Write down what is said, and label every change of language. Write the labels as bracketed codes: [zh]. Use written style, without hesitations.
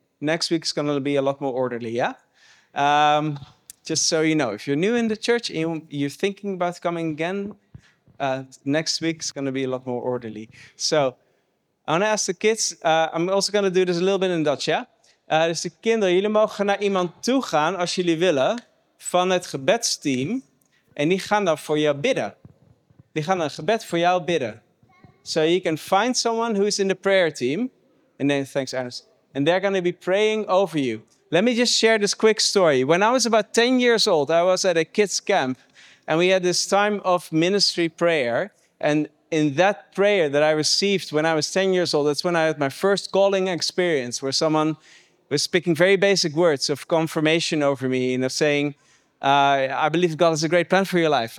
[en] Next week is going to be a lot more orderly. Yeah. Just so you know, if you're new in the church and you're thinking about coming again, next week's going to be a lot more orderly. So I want to ask the kids, I'm also going to do this a little bit in Dutch, yeah? [nl] Dus de kinderen, jullie mogen naar iemand toe gaan als jullie willen van het gebedsteam. En die gaan dan voor jou bidden. Die gaan een gebed voor jou bidden. [en] So you can find someone who is in the prayer team. And then, thanks, Ernest. And they're going to be praying over you. Let me just share this quick story. When I was about 10 years old, I was at a kids' camp, and we had this time of ministry prayer. And in that prayer that I received when I was 10 years old, that's when I had my first calling experience, where someone was speaking very basic words of confirmation over me, you know, saying, I believe God has a great plan for your life.